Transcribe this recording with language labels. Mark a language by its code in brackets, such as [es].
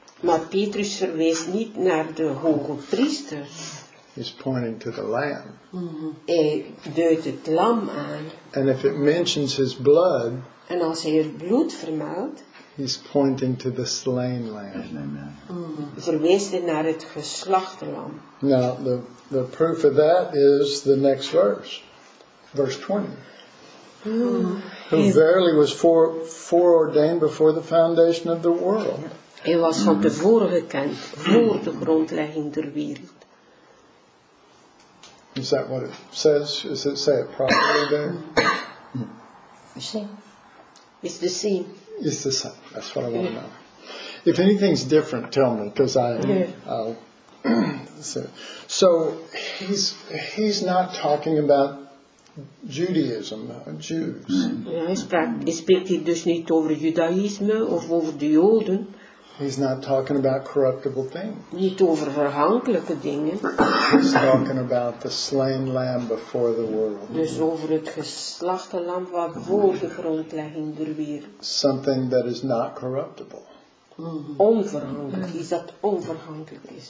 [nl] Maar Petrus verwees niet naar de hoge priester. [en] He's pointing to the lamb. [nl] Mm-hmm. Hij duidt het lam aan. [en] And if it mentions his blood. [nl] En als hij het bloed vermeldt. [en] He's pointing to the slain lamb. Mm-hmm. [nl] Verwees hij naar het geslachte lam. [en] Now the proof of that is the next verse. Verse 20. Mm-hmm. Who verily was foreordained before the foundation of the world. Hij was van tevoren gekend voor de grondlegging der wereld. Is that what it says? Is it say it properly there? It's the same. It's the same. That's what I want to know. If anything's different, tell me, because I'll say. So he's not talking about Judaism, Jews. [nl] Ja, hij spreekt hier dus niet over Judaïsme of over de Joden. [en] He's not talking about corruptible things. [nl] Niet over verhankelijke dingen. [en] He's talking about the slain lamb before the world. [nl] Dus over het geslachte lam wat voor de grondlegging der wereld. [en] Something that is not corruptible. [nl] Mm-hmm. Onverhankelijk. Is dat onverhankelijk is.